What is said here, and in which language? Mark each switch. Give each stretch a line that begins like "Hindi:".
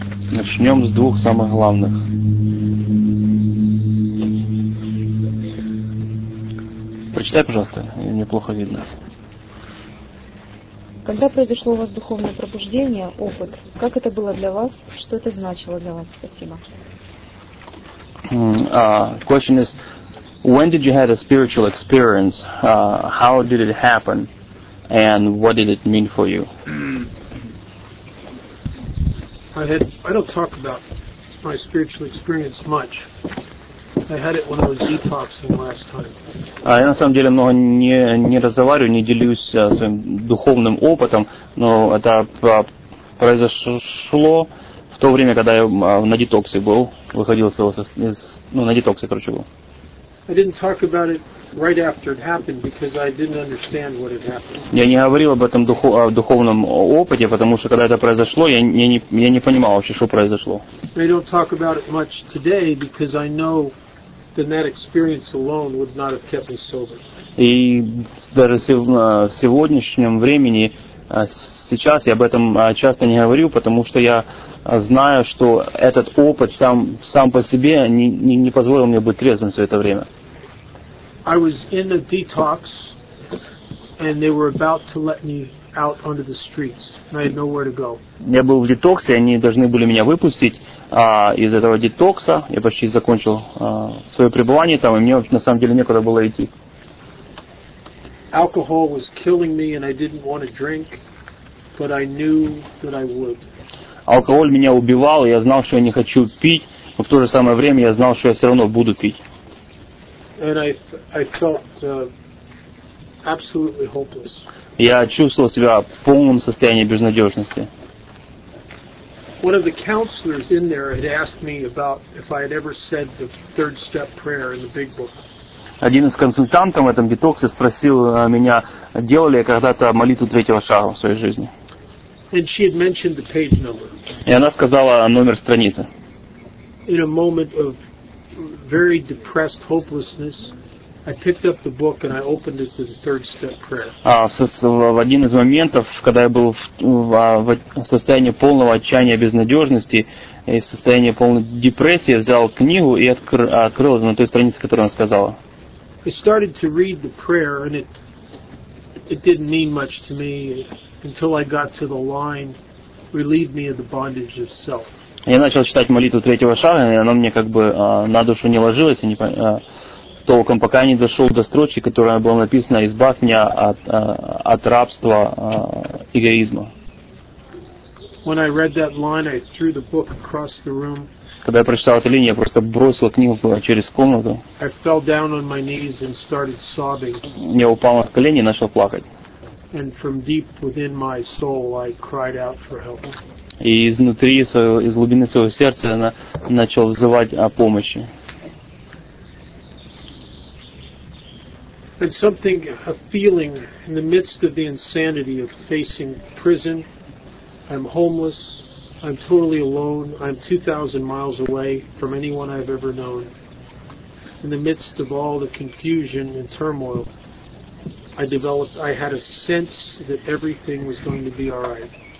Russian: Начнем с двух самых главных. Прочитай, пожалуйста, мне плохо видно. Когда произошло у вас духовное пробуждение, опыт, как это было для вас, что это значило для вас? Спасибо.
English: Question is, when did you have a spiritual experience? How did it happen? And what did it mean for you? I don't talk about my spiritual experience much. I had it when I was detoxing last time.
Russian: Я на самом деле много не разговариваю, не делюсь своим духовным опытом, но это произошло в то время, когда я на детоксе был, выходил из своего был.
English: I didn't talk about it right after it happened because I didn't understand what had happened.
Russian: Я не говорил об этом духовном опыте, потому что когда это произошло, я не понимал вообще, что произошло.
English: I don't talk about it much today because I know then that experience alone would not have kept me sober.
Russian: И даже в сегодняшнем времени, сейчас я об этом часто не говорю, потому что я знаю, что этот опыт сам по себе не позволил мне быть трезвым все это время.
English: I was in a detox, and they were about to let me out onto the streets, and I had nowhere to go.
Russian: Я был в детоксе, они должны были меня выпустить из этого детокса. Я почти закончил свое пребывание там, и мне на самом деле некуда было идти.
English: Alcohol was killing me, and I didn't want to drink, but I knew that I would.
Russian: Алкоголь меня убивал, я знал, что я не хочу пить, но в то же самое время я знал, что я все равно буду пить.
English: And I felt absolutely hopeless.
Russian: Я чувствовал себя в полном состоянии безнадежности.
English: One of the counselors in there had asked me about if I had ever said the third step prayer in the big book.
Russian: Один из консультантов в этом детоксе спросил меня, делал ли я когда-то молитву третьего шага в своей жизни.
English: And she had mentioned the page number.
Russian: И она сказала номер страницы.
English: In a moment of very depressed hopelessness, I picked up the book and I opened it to the third step prayer.
Russian: В один из моментов, когда я был в состоянии полного отчаяния, безнадежности и в состоянии полной депрессии, взял книгу и открыл на той странице, которую она сказала.
English: I started to read the prayer and it didn't mean much to me until I got to the line, "Relieve me of the bondage of self."
Russian: Я начал читать молитву третьего шага, и она мне как бы на душу не ложилась, толком, пока я не дошел до строчки, которая была написана: «Избавь меня от рабства эгоизма».
English: When I read that line, I threw the book across the room.
Russian: Когда я прочитал эту линию, я просто бросил книгу через комнату.
English: I fell down on my knees and started sobbing.
Russian: Я упал на колени и начал плакать.
English: And from deep within my soul, I cried out for help.
Russian: И изнутри, из глубины своего сердца, я начал взывать о помощи.
English: And something, a feeling in the midst of the insanity of facing prison, I'm homeless, I'm totally alone, I'm 2,000 miles away from anyone I've ever known. In the midst of all the confusion and turmoil, I had a sense that everything was going to be all right.